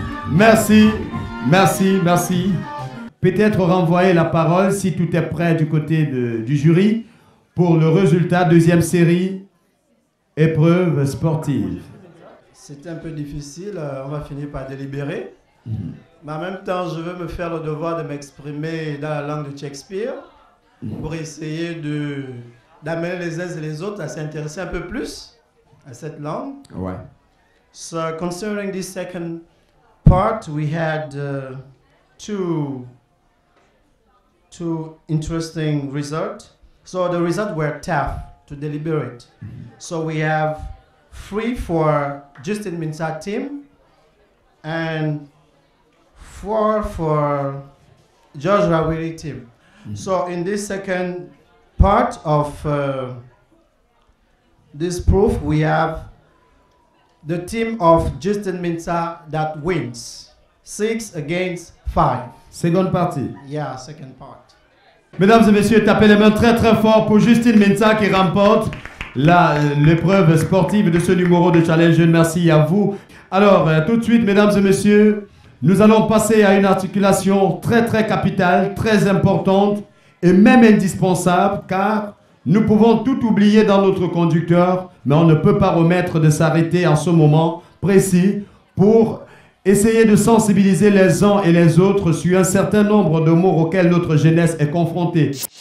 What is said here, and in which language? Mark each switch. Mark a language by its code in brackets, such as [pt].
[fr] Merci, merci, merci. Peut-être renvoyer la parole, si tout est prêt du côté du jury, pour le résultat, deuxième série, épreuve sportive. C'est un peu difficile, on va finir par délibérer. Mais en même temps, je veux me faire le devoir de m'exprimer dans la langue de Shakespeare pour essayer d'amener les uns et les autres à s'intéresser un peu plus à cette langue. Ouais. [en] So, concerning this second part, we had two interesting results. So, the results were tough to deliberate. So, we have 3 for Justin Minsat team and 4 for George Rawiri team. So, in this second part of this proof, we have the team of Justin Minsat that wins 6-5. Second party. Yeah, second part. [fr] Mesdames et messieurs, tapez les mains très très fort pour Justin Minsat qui remporte l'épreuve sportive de ce numéro de Challenge Jeune. Merci à vous. Alors, tout de suite, mesdames et messieurs, nous allons passer à une articulation très très capitale, très importante et même indispensable, car nous pouvons tout oublier dans notre conducteur, mais on ne peut pas remettre de s'arrêter en ce moment précis pour essayer de sensibiliser les uns et les autres sur un certain nombre de mots auxquels notre jeunesse est confrontée.